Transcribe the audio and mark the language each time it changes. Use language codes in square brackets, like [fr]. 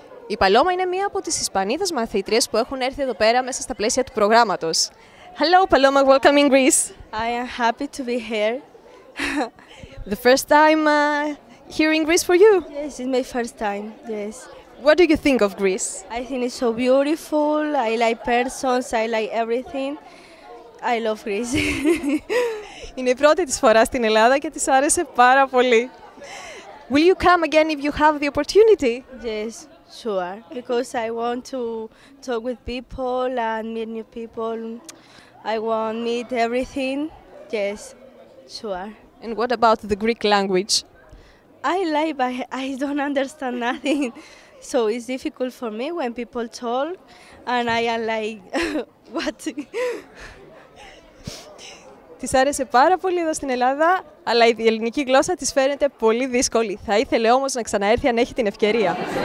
[el] Η Παλώμα είναι μία από τις Ισπανίδες μαθήτριες που έχουν έρθει εδώ πέρα μέσα στα πλαίσια του προγράμματος. [en] Hello, Paloma, welcome in Greece. I am happy to be here. The first time here in Greece for you? Yes, it's my first time, yes. What do you think of Greece? I think it's so beautiful, I like persons, I like everything. I love Greece. [el] Είναι η πρώτη της φορά στην Ελλάδα και της άρεσε πάρα πολύ. [en] Will you come again if you have the opportunity? Yes. Sure, because I want to talk with people and meet new people. I want to meet everything. Yes, sure. And what about the Greek language? I like, but I don't understand nothing. So it's difficult for me when people talk, and I am like, what? [el] Της άρεσε πάρα πολύ εδώ στην Ελλάδα, αλλά η ελληνική γλώσσα της φαίνεται πολύ δύσκολη. Θα ήθελε όμως να ξαναέρθει αν έχει την ευκαιρία.